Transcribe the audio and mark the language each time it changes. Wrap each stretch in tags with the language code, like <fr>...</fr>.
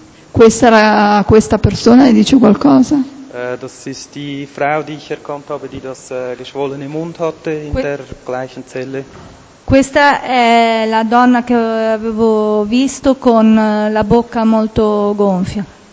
<it>Questa persona le dice qualcosa?</it> <de>Das ist die Frau, die ich erkannt habe, die das geschwollene Mund hatte in der gleichen Zelle.</de> <it>Questa è la donna che avevo visto con la bocca molto gonfia.</it>